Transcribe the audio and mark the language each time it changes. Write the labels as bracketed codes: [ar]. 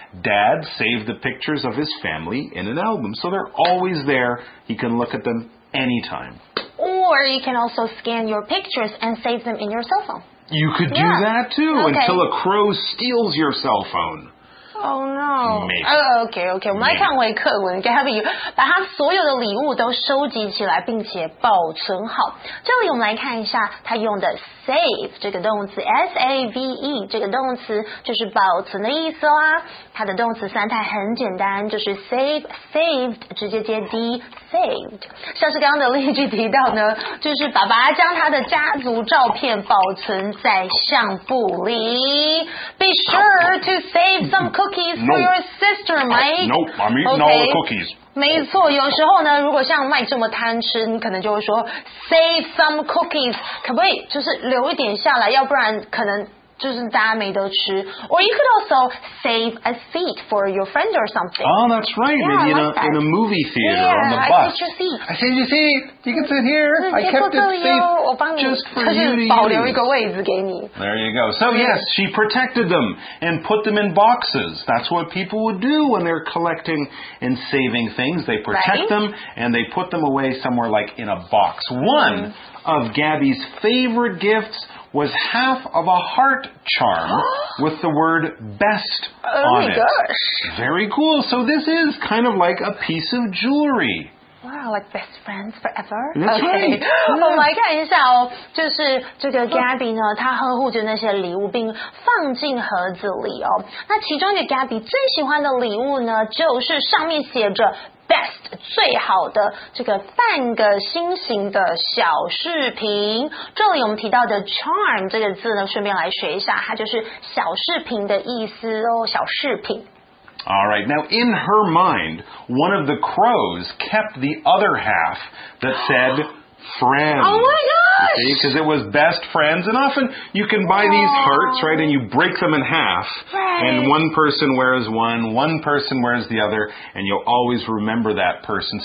[en] Dad saved the pictures of his family in an album. So they're always there. He can look at them anytime. Or you can also scan your pictures and save them in your cell phone. You could do that too, until a crow steals your cell phone. Oh no. Maybe. Okay. [zh] 我们来看回课文， Gabby 把他所有的礼物都收集起来并且保存好。这里我们来看一下他用的 save 这个动词， S-A-V-E 这个动词就是保存的意思啦。它的动词三态很简单，就是 save, saved, 直接接 D, saved。像是刚刚的例句提到呢，就是爸爸将他的家族照片保存在相簿里。 [en] Be sure to save some cookies for your sister, Mike. Nope, I'm eating all the cookies. [zh] 没错，有时候呢，如果像麦这么贪吃，你可能就会说 [en] save some cookies, [zh] 可不可以就是留一点下来，要不然可能就是大家没得吃。 [en] Or you could also save a seat for your friend or something. Oh, that's right. Yeah, maybe in a movie theater or on the bus. I saved your seat. I saved your seat. You can sit here. I kept it safe just for you to use. [zh] 保留一个位置给你。 [en] There you go. So yes, she protected them and put them in boxes. That's what people would do when they're collecting and saving things. They protect them and they put them away somewhere like in a box. One of Gabby's favorite gifts was half of a heart charm with the word best on it. Oh my gosh. Very cool. So this is kind of like a piece of jewelry. Wow, like best friends forever? That's right. [zh] 我们来看一下哦，就是这个 Gabby 呢，她呵护着那些礼物并放进盒子里哦。那其中一个 Gabby 最喜欢的礼物呢，就是上面写着Best 最好的这个半个心形的小饰品。这里我们提到的 charm 这个字呢，顺便来学一下，它就是小饰品的意思哦，小饰品。 [en] All right, now in her mind, one of the crows kept the other half that said friends. Oh my gosh! Because it was best friends, and often you can buy these hearts, right, and you break them in half, and one person wears one, one person wears the other, and you'll always remember that person.